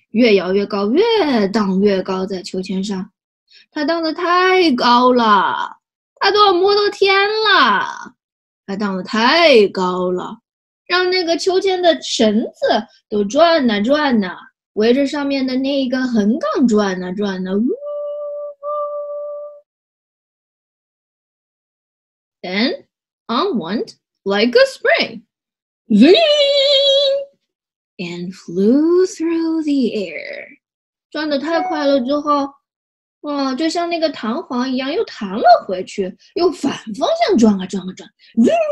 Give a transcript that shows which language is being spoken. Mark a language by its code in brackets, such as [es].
[zh] 越摇越高，越荡越高，在秋千上，它荡得太高了。他都要摸到天了，他荡得太高了，让那个秋千的绳子都转呐转呐，围着上面的那一个横杠转呐转呐。呜呜。 [en] Then, unwound like a spring, zing, and flew through the air. [zh] 转得太快了之后。哇，就像那个弹簧一样，又弹了回去，又反方向转啊转啊转，嗡！